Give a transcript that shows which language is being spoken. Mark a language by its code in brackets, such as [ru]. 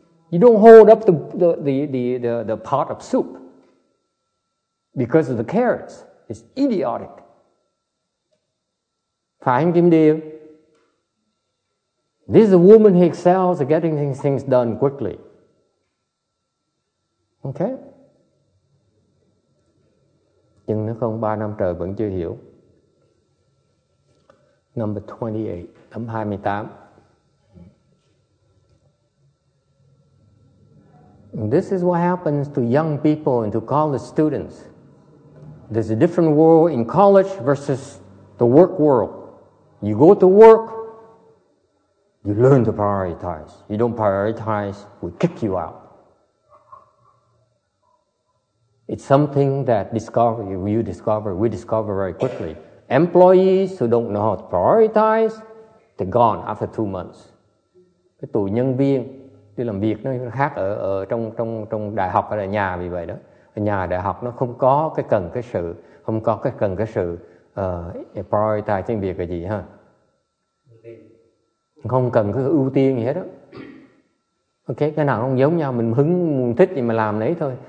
[en] You don't hold up the pot of soup because of the carrots. It's idiotic. [vi] Phan Kim Diêu. [en] This is a woman who excels at getting things done quickly. Ok. [vi] Nhưng nếu không 3 năm trời vẫn chưa hiểu. [en] Number 28, tấm 28. This is what happens to young people and to college students. There's a different world in college versus the work world. You go to work, you learn to prioritize. You don't prioritize, we kick you out. It's something that we discover very quickly. Employees who don't know how to prioritize, they're gone after 2 months. [vi] Cái tụi nhân viên đi làm việc nó khác ở, ở trong trong trong đại học hay là nhà vì vậy đó. Ở nhà đại học nó không có cái cần cái sự không có cái cần cái sự prioritize trên việc cái gì ha. Không cần cái ưu tiên gì hết đó. Ok, cái nào không giống nhau, mình hứng mình thích thì mà làm đấy thôi.